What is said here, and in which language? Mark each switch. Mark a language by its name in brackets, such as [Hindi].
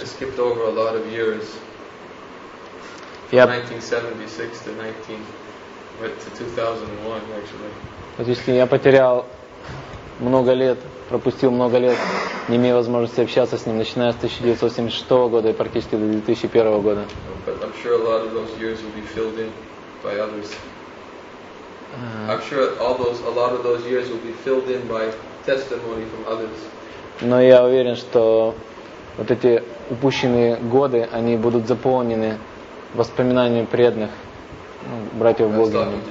[English] I skipped over a lot of years. From 1976 to 2001, [Russian] Вот если я потерял много лет, пропустил много лет, не имея возможности общаться с ним, начиная с 1976 года и практически до 2001 года. [English] But I'm sure a lot of those years will be filled in by others. I'm sure a lot of those years will be filled in by testimony from others. [Russian] Но я уверен, что вот эти упущенные годы, они будут заполнены воспоминаниями преданных, ну, братьев Бога.